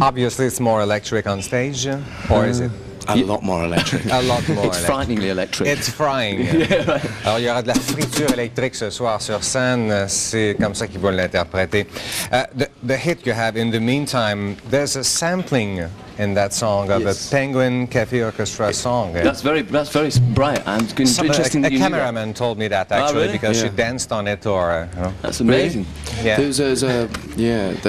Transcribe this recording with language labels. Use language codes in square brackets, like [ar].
[en] Obviously, it's more electric on stage, or is it? A lot more electric. A lot more It's frighteningly electric. It's frying. Yeah, [fr] alors, il y aura de la friture électrique ce soir sur scène. C'est comme ça qu'ils vont l'interpréter. [en] The hit you have in the meantime, there's a sampling in that song of a Penguin Cafe Orchestra song. That's very bright and interesting. A cameraman told me that, actually, because she danced on it. That's amazing. Really? Yeah.